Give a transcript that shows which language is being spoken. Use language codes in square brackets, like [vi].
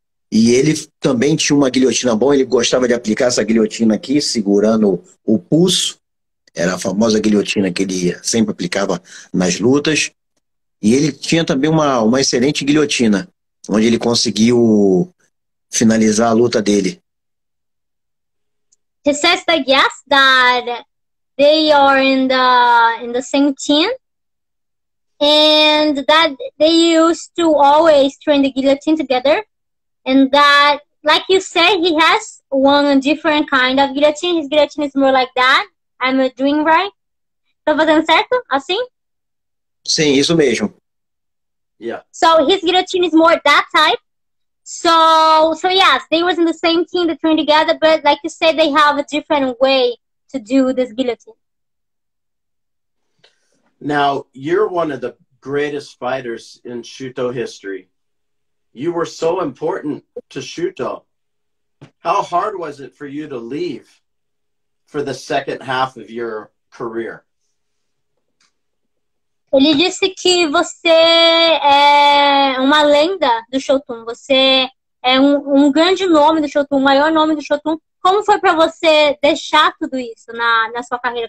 [pt] E ele também tinha uma guilhotina boa, ele gostava de aplicar essa guilhotina aqui, segurando o pulso. Era a famosa guilhotina que ele sempre aplicava nas lutas. E ele tinha também uma excelente guilhotina, onde ele conseguiu finalizar a luta dele. [en] He says that yes, that they are in the same team. And that they used to always train the guillotine together. And that, like you said, he has one different kind of guillotine. His guillotine is more like that. I'm doing right. [pt] Tô fazendo certo? Assim? Sim, isso mesmo. [en] Yeah. So his guillotine is more that type. So yes, they was in the same team, they trained together, but like you said, they have a different way to do this guillotine. Now, you're one of the greatest fighters in Shuto history. You were so important to Shuto. How hard was it for you to leave for the second half of your career? [pt] Ele disse que você é uma lenda do Shotun. Você é um grande nome do Shotun, o maior nome do Shotun. Como foi para você deixar tudo isso na sua carreira?